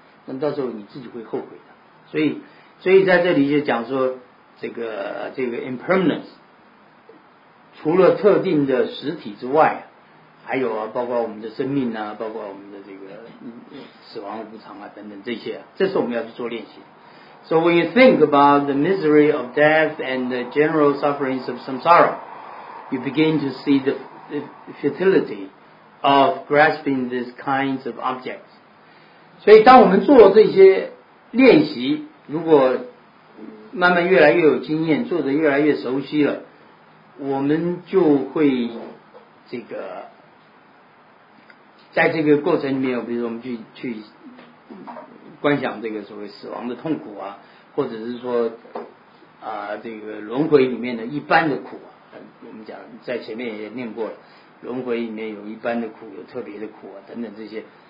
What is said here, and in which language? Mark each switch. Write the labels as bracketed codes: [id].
[zh] 那到时候你自己会后悔的。所以在这里就讲说，这个 impermanence， 除了特定的实体之外，还有啊，包括我们的生命啊，包括我们的这个死亡无常啊等等这些啊，这是我们要去做练习。 [en] So when you think about the misery of death and the general sufferings of samsara, you begin to see the futility of grasping these kinds of objects. [zh] 所以当我们做这些练习，如果慢慢越来越有经验，做得越来越熟悉了，我们就会这个在这个过程里面，比如说我们去观想这个所谓死亡的痛苦啊，或者是说这个轮回里面的一般的苦啊，我们讲在前面也念过了，轮回里面有一般的苦，有特别的苦啊等等这些。